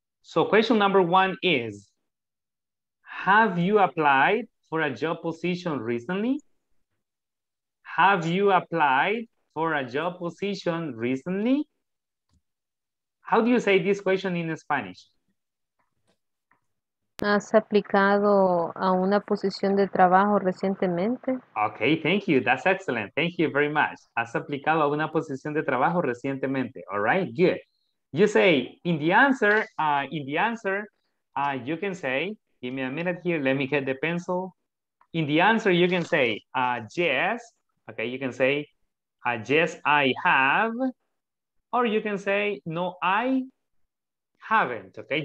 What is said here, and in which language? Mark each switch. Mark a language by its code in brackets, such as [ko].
[en] So question number one is, have you applied for a job position recently? Have you applied for a job position recently? How do you say this question in Spanish? [es] ¿Has aplicado a una posición de trabajo recientemente? [en] Okay, thank you. That's excellent. Thank you very much. [es] ¿Has aplicado a una posición de trabajo recientemente? [en] All right, good. You say, in the answer, you can say, give me a minute here, let me get the pencil. In the answer, you can say, yes. Okay, you can say, yes, I have. Or you can say, no, I haven't, okay?